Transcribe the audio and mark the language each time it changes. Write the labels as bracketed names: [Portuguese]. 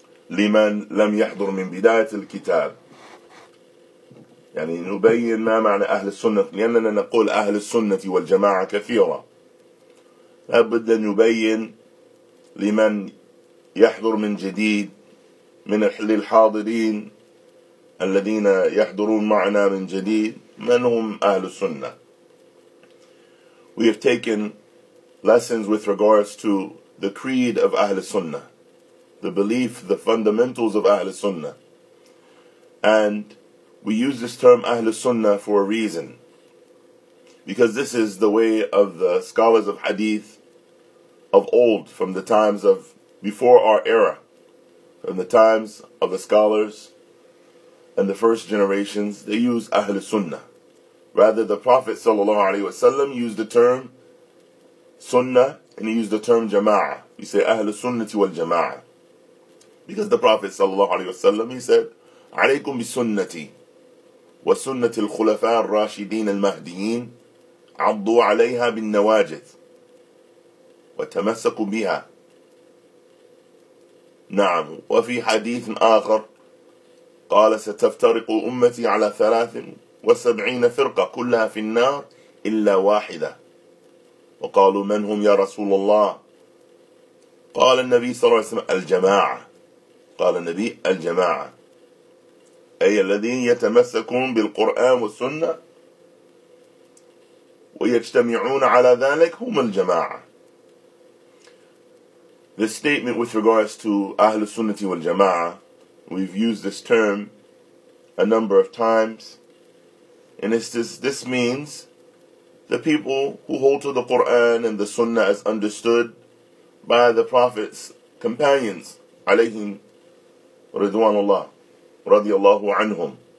[Arabic] لمن لم يحضر من بداية الكتاب. يعني نبين ما معنى أهل السنة، لأننا نقول أهل السنة والجماعة كثيرة، لابد أن نبين لمن يحضر من جديد، من للحاضرين الذين يحضرون معنا من جديد، من هم أهل السنة. [English] We have taken lessons with regards to the creed of Ahl Sunnah, the belief, the fundamentals of Ahl Sunnah. And we use this term Ahl Sunnah for a reason, because this is the way of the scholars of Hadith of old, from the times of before our era, from the times of the scholars and the first generations. They use Ahl Sunnah. Rather, the Prophet ﷺ used the term Sunnah, and he used the term Jama'ah. We say Ahl Sunnah wal Jama'ah, because the Prophet ﷺ, he said, [Arabic] عليكم بسنتي وسنة الخلفاء الراشدين المهديين عضوا عليها بالنواجذ وتمسكوا بها. نعم. وفي حديث آخر قال ستفترق أمتي على 73 فرقة كلها في النار إلا واحدة. وقالوا من هم يا رسول الله؟ قال النبي صلى الله عليه وسلم الجماعة. قال النبي الجماعة، أي الذين يتمسكون بالقرآن والسنة ويجتمعون على ذلك هم الجماعة. [English] This statement with regards to أهل السنة والجماعة, we've used this term a number of times, and this means the people who hold to the Qur'an and the Sunnah as understood by the Prophet's companions, [Arabic] عليهم رضوان الله, رضي الله عنهم.